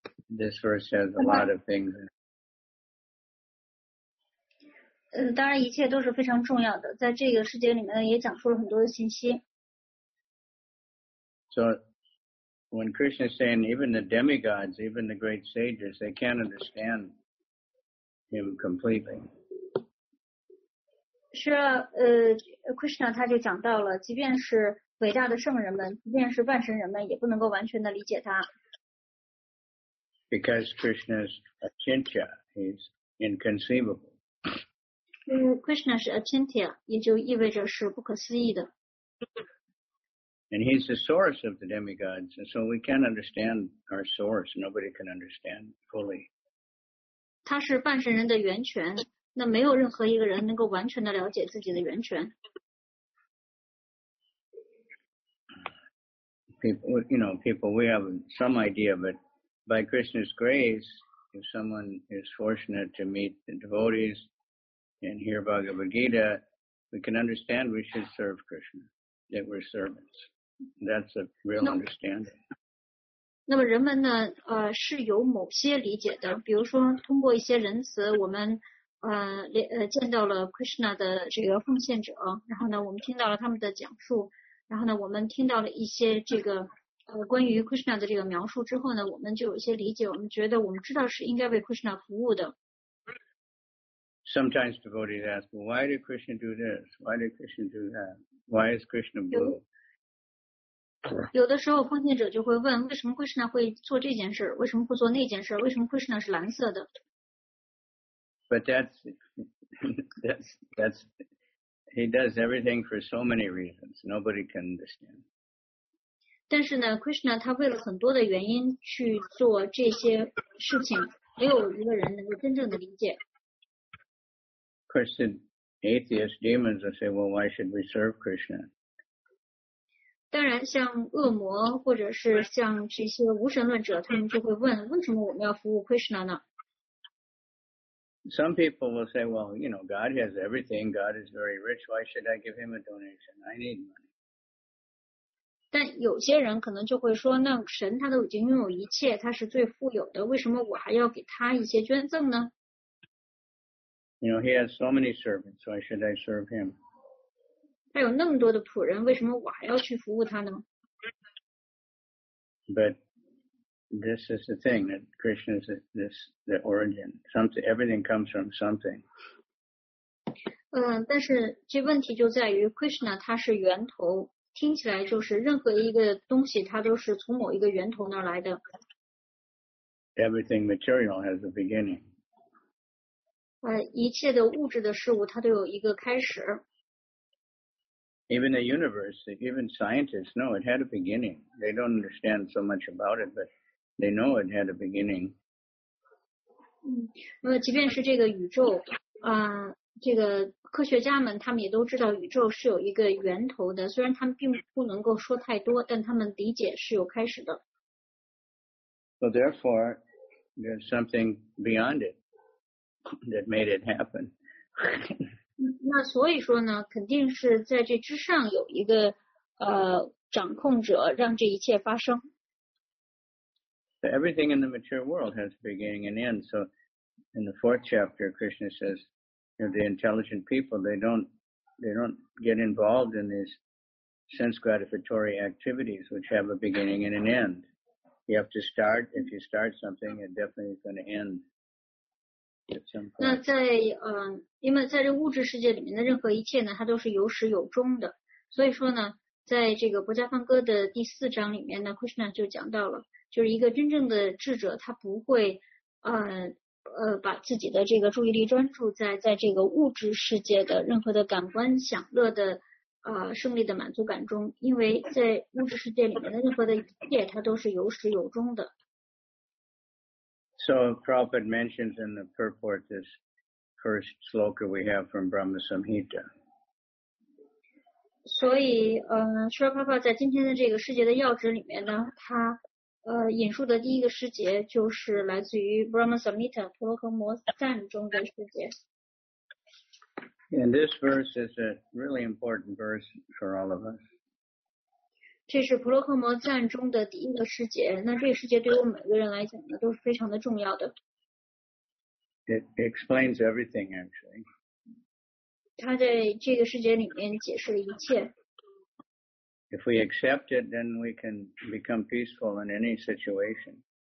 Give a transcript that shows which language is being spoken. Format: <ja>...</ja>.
<en>This verse has a lot of things in it.</en> <zh>当然，一切都是非常重要的。在这个世界里面呢，也讲述了很多的信息。</zh> <en>So, when Krishna is saying even the demigods, even the great sages, they can't understand him completely.</en> <zh>是啊，Krishna 他就讲到了，即便是伟大的圣人们，即便是万神人们，也不能够完全的理解他。</zh> <en>Because Krishna is achintya, he's inconceivable.</en> <zh>Krishna 是 achintya, 也就意味着是不可思议的。</zh> <en>And he's the source of the demigods, so we can't understand our source. Nobody can understand fully.</en> <zh>他是半神人的源泉，那没有任何一个人能够完全的了解自己的源泉。</zh> <en>People, you know, people, we have some idea, but by Krishna's grace, if someone is fortunate to meet the devotees. And hear Bhagavad Gita, we can understand we should serve Krishna, that we're servants. That's a real understanding.</en> <zh>那么人们呢，是有某些理解的，比如说通过一些仁慈，我们见到了 Krishna 的这个奉献者，然后呢，我们听到了他们的讲述，然后呢，我们听到了一些这个关于 Krishna 的这个描述之后呢，我们就有一些理解，我们觉得我们知道是应该为 Krishna 服务的。</zh> <en>Sometimes devotees ask, well, why did Krishna do this? Why did Krishna do that? Why is Krishna blue?</en> <zh>有的时候奉献者就会问，为什么 Krishna 会做这件事，为什么不做那件事，为什么 Krishna 是蓝色的？</zh> <en>But that's, he does everything for so many reasons. Nobody can understand.</en> <zh>但是呢 ,Krishna 他为了很多的原因去做这些事情，没有一个人能够真正的理解。</zh> <en>Of course, the atheist demons will say, well, why should we serve Krishna?</en> <zh>当然像恶魔或者是像这些无神论者他们就会问为什么我们要服务 Krishna 呢</zh> <en>Some people will say, well, you know, God has everything. God is very rich. Why should I give him a donation? I need money.</en> <zh>但有些人可能就会说那神他都已经拥有一切他是最富有的为什么我还要给他一些捐赠呢</zh> <en>You know, he has so many servants, why should I serve him?</en> <zh>他有那么多的仆人，为什么我还要去服务他呢？</zh> <en>But this is the thing, that Krishna is the origin. Something, everything comes from something.</en> <zh>但是这问题就在于 Krishna 他是源头，听起来就是任何一个东西它都是从某一个源头那来的。</zh> <en>Everything material has a beginning.</en> <zh>一切的物质的事物它都有一个开始。</zh> <en>Even the universe, even scientists know it had a beginning. They don't understand so much about it, but they know it had a beginning.</en> <zh>即便是这个宇宙这个科学家们他们也都知道宇宙是有一个源头的，虽然他们并不能够说太多，但他们理解是有开始的。</zh> <en>So therefore, there's something beyond it that made it happen.</en> <zh>那所以说呢，肯定是在这之上有一个掌控者让这一切发生。</zh> <en>So everything in the material world has a beginning and end. So in the fourth chapter, Krishna says, you know, the intelligent people, they don't get involved in these sense gratificatory activities which have a beginning and an end. You have to start. If you start something, it definitely is going to end at some point.</en> <zh>那在因为在这物质世界里面的任何一切呢，它都是有始有终的。所以说呢，在这个《薄伽梵歌》的第四章里面呢 ，Krishna 就讲到了，就是一个真正的智者，他不会把自己的这个注意力专注在这个物质世界的任何的感官享乐的胜利的满足感中，因为在物质世界里面的任何的一切它都是有始有终的。</zh> <en>So Prabhupada mentions in the purport this first sloka we have from Brahma Samhita.</en> <zh>所以Śrīla Prabhupāda在今天的这个世界的要旨里面呢，他引述的第一个师节就是来自于 Brahma Samhita 婆罗诃摩赞中的师节。</zh> <en>And this verse is a really important verse for all of us.</en> <zh>这是婆罗诃摩赞中的第一个师节，那这个师节对我每个人来讲呢都是非常的重要的。</zh> <en>It explains everything, actually.</en> <zh>他在这个师节里面解释了一切。</zh> <en>If we accept it, then we can become peaceful in any situation.</en>